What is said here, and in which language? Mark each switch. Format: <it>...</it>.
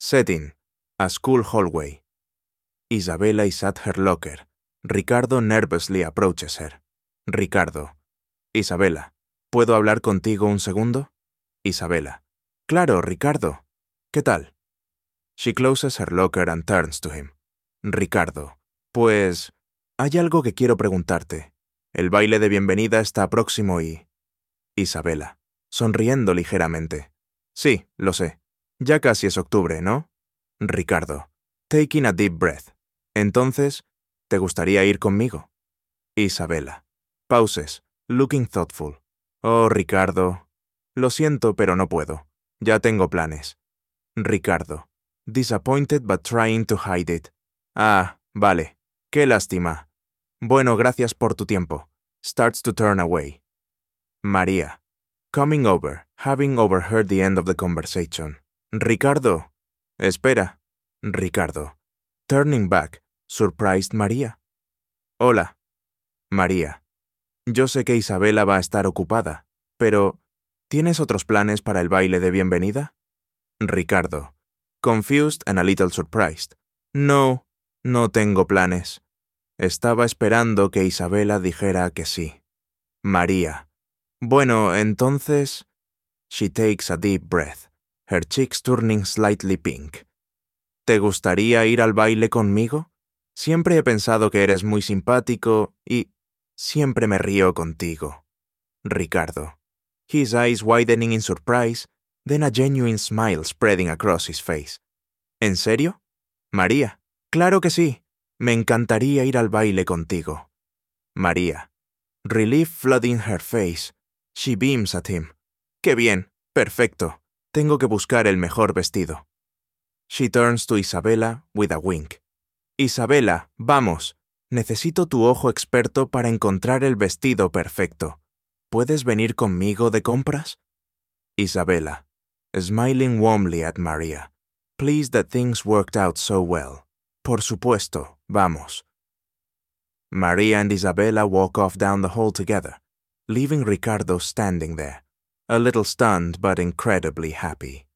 <en>Setting: a school hallway. Isabella is at her locker. Ricardo nervously approaches her.</en> <es>Ricardo: Isabella, ¿puedo hablar contigo un segundo? Isabella: Claro, Ricardo. ¿Qué tal?</es> <en>She closes her locker and turns to him.</en> <es>Ricardo: Pues, hay algo que quiero preguntarte. El baile de bienvenida está próximo y... Isabella, sonriendo ligeramente: Sí, lo sé. Ya casi es octubre, ¿no?</es> <en>Ricardo, taking a deep breath.</en> <es>Entonces, ¿te gustaría ir conmigo?</es> <en>Isabella, pauses, looking thoughtful.</en> <es>Oh, Ricardo, lo siento, pero no puedo. Ya tengo planes.</es> <en>Ricardo, disappointed but trying to hide it.</en> <es>Ah, vale. Qué lástima. Bueno, gracias por tu tiempo.</es> <en>Starts to turn away. María, coming over, having overheard the end of the conversation. Ricardo,</en> <es>espera.</es> <en>Ricardo, turning back, surprised María.</en> <es>Hola. María, yo sé que Isabella va a estar ocupada, pero ¿tienes otros planes para el baile de bienvenida?</es> <en>Ricardo, confused and a little surprised.</en> <es>No, no tengo planes. Estaba esperando que Isabella dijera que sí. María, bueno, entonces...</es> <en>She takes a deep breath, her cheeks turning slightly pink.</en> <es>¿Te gustaría ir al baile conmigo? Siempre he pensado que eres muy simpático y... siempre me río contigo.</es> <en>Ricardo, his eyes widening in surprise, then a genuine smile spreading across his face.</en> <es>¿En serio? María, claro que sí. Me encantaría ir al baile contigo.</es> <en>María, relief flooding her face. She beams at him.</en> <es>¡Qué bien! ¡Perfecto! Tengo que buscar el mejor vestido.</es> <en>She turns to Isabella with a wink.</en> <es>Isabella, vamos. Necesito tu ojo experto para encontrar el vestido perfecto. ¿Puedes venir conmigo de compras?</es> <en>Isabella, smiling warmly at María. Pleased that things worked out so well.</en> <es>Por supuesto, vamos.</es> <en>María and Isabella walk off down the hall together, leaving Ricardo standing there, a little stunned but incredibly happy.</en>